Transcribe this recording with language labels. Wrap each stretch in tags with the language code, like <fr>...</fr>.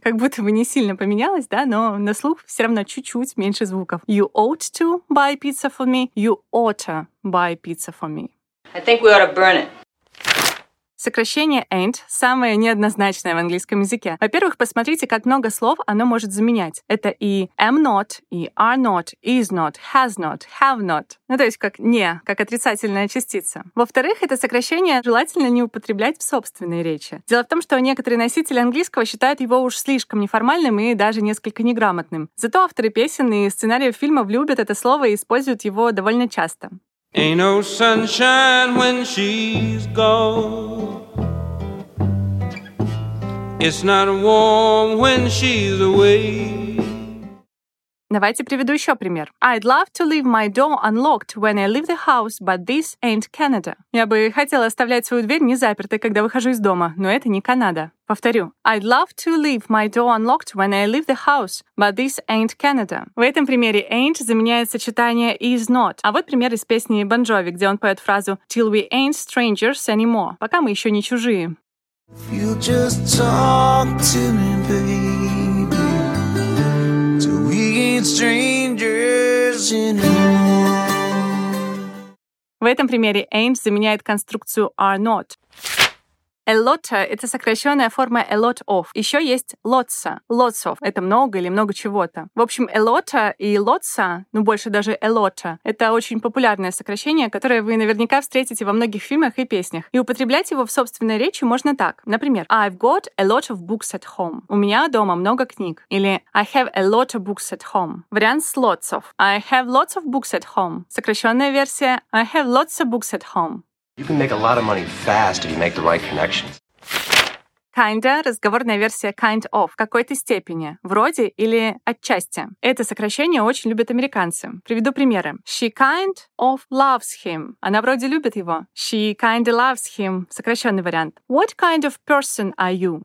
<ru>Как будто бы не сильно поменялось, да, но на слух все равно чуть-чуть меньше звуков.</ru> <en>You ought to buy pizza for me. You ought to buy pizza for me. I think we ought to burn it.</en> <ru>Сокращение ain't самое неоднозначное в английском языке. Во-первых, посмотрите, как много слов оно может заменять. Это и am not, и are not, is not, has not, have not. Ну, то есть как не, как отрицательная частица. Во-вторых, это сокращение желательно не употреблять в собственной речи. Дело в том, что некоторые носители английского считают его уж слишком неформальным и даже несколько неграмотным. Зато авторы песен и сценариев фильмов любят это слово и используют его довольно часто.</ru> <en>Ain't no sunshine when she's gone. It's not warm when she's away.</en> <ru>Давайте приведу еще пример.</ru> <en>I'd love to leave my door unlocked when I leave the house, but this ain't Canada.</en> <ru>Я бы хотела оставлять свою дверь незапертой, когда выхожу из дома, но это не Канада. Повторю.</ru> <en>I'd love to leave my door unlocked when I leave the house, but this ain't Canada.</en> <ru>В этом примере ain't заменяет сочетание is not. А вот пример из песни Бон Джови, где он поет фразу</ru> <en>Till we ain't strangers anymore.</en> <ru>Пока мы еще не чужие.</ru> <en>You'll just talk to me, baby.</en> <ru>В этом примере ain't заменяет конструкцию are not. A lot — это сокращенная форма a lot of. Еще есть lots. Lots of — это много или много чего-то. В общем, a lot и lots, ну, больше даже a lot, это очень популярное сокращение, которое вы наверняка встретите во многих фильмах и песнях. И употреблять его в собственной речи можно так.</ru> <en>Например, I've got a lot of books at home.</en> <ru>У меня дома много книг.</ru> <en>Или I have a lot of books at home.</en> <ru>Вариант с</ru> <en>lots of. I have lots of books at home.</en> <ru>Сокращенная версия</ru> <en>I have lots of books at home. You can make a lot of money fast if you make the right connections.</en> <ru>Kinda — разговорная версия kind of, в какой-то степени, вроде или отчасти. Это сокращение очень любят американцы. Приведу примеры.</ru> <en>She kind of loves him.</en> <ru>Она вроде любит его.</ru> <en>She kind of loves him.</en> <ru>Сокращенный вариант.</ru> <en>What kind of person are you?</en>